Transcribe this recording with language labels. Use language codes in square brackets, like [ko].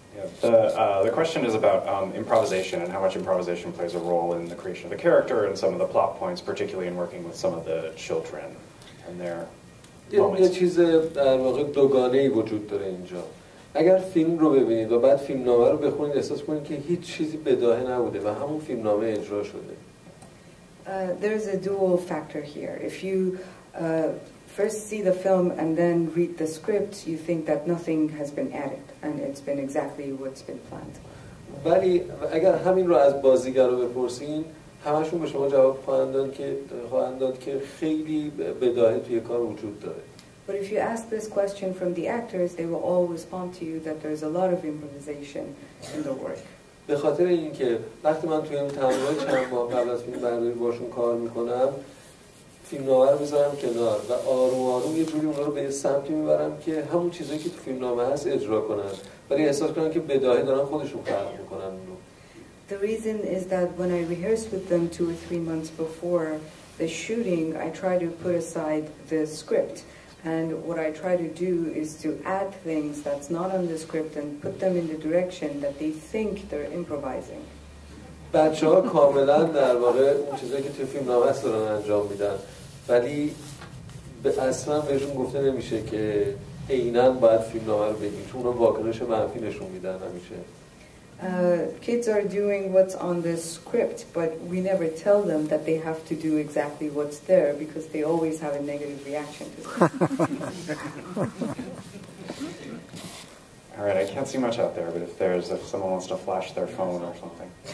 [en] Yeah, the question is about improvisation and how much improvisation plays a role in the creation of the character and some of the plot points, particularly in working with some of the children and their moments. [fa] یه چیز در واقع دوگانه‌ای وجود داره اینجا. اگر فیلم رو ببینید و بعد فیلمنامه رو بخونید احساس کنید که هیچ چیزی بداهه نبوده و همون فیلمنامه اجرا شده. [en] There is a dual factor here. If you first see the film and then read the script, you think that nothing has been added and it's been exactly what's been planned. [fa] ولی اگر همین رو از بازیگر رو بپرسین همشون به شما جواب خواهند داد که خیلی بداهه توی کار وجود داره. [en] But if you ask this question from the actors, they will all respond to you that there's a lot of improvisation in the work. [fa] به خاطر اینکه وقتی من توی این تمرین چند ماه قبل از فیلم برداری باشون کار میکنم فیلمنامه رو میذارم کنار و آروم آروم یه جوری اونا رو به سمتی میبرم که همون چیزایی که تو فیلمنامه هست اجرا کنن ولی احساس کنن که بداهه دارن خودشون خلق میکنن اون رو. [en] The reason is that when I rehearse with them two or three months before the shooting, I try to put aside the script. And what I try to do is to add things that's not on the script and put them in the direction that they think they're improvising. [fa] بچه ها کاملا در واقع اون چیزایی که تو فیلم نامه است دارن انجام میدن ولی اصلا بهشون گفته نمیشه که اینن باید فیلم نامه رو بگیم چون اون واکنش منفی نشون میدن همیشه. [en] Kids are doing what's on the script, but we never tell them that they have to do exactly what's there because they always have a negative reaction to it. All right, I can't see much out there, but if someone wants to flash their phone or something.